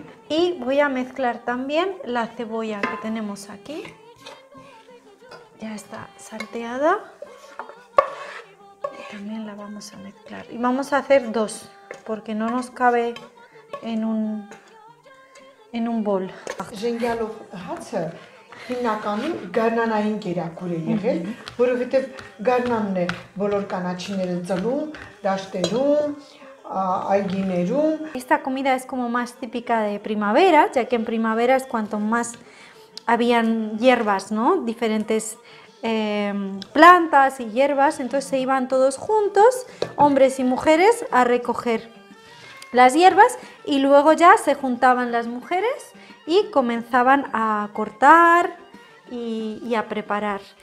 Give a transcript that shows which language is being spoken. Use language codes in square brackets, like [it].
[es] Y voy a mezclar también la cebolla que tenemos aquí. Ya está salteada. También la vamos a mezclar. Y vamos a hacer dos, porque no nos cabe en un bol. [hy] Ժենգյալով հացը հիմնականում գարնանային կերակուր է եղել, որովհետև գարնանն է բոլոր կանաչիները ծլում, դաշտերում, այգիներում։ [es] Esta comida es como más típica de primavera, ya que en primavera es cuanto más habían hierbas, ¿no? Diferentes plantas y hierbas, entonces se iban todos juntos, hombres y mujeres, a recoger las hierbas y luego ya se juntaban las mujeres y comenzaban a cortar y a preparar.